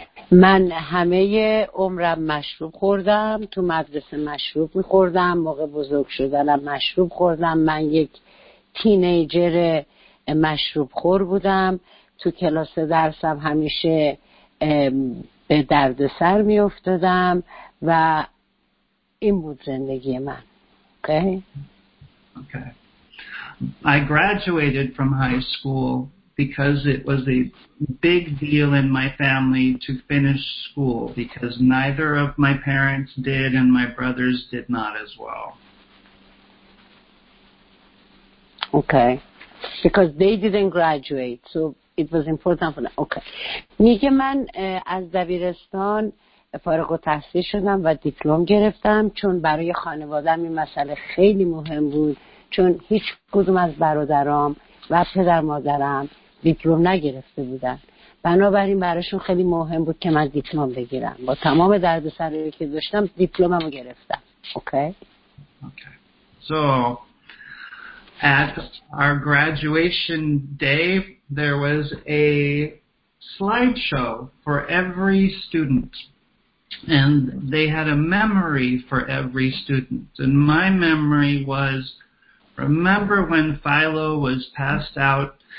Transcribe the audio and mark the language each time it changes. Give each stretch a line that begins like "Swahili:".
Persian: من همه عمرم مشروب خوردم، تو مدرسه مشروب می‌خوردم، موقع بزرگ شدنم مشروب خوردم. من یک تینیجر مشروب خور بودم. تو کلاس درسم همیشه به درد سر می افتادم و این بود زندگی من.
English: Okay. I graduated from high school because it was a big deal in my family to finish school because neither of my parents did and my brothers did not as well. Okay. Because they didn't graduate, so it was important for them. Okay.
Persian: میگه من از دبیرستان فارغ التحصیل شدم و دیپلم گرفتم چون برای خانواده‌ام این مسئله خیلی مهم بود چون هیچ کدوم از برادرام و پدر مادرم دیپلم نگرفته بودن. بنابراین براشون خیلی مهم بود که من دیپلم بگیرم. با تمام دردسری که داشتم دیپلممو گرفتم.
English: Okay. So at our graduation day, there was a slideshow for every student, and they had a memory for every student. And my memory was, remember when Philo was passed out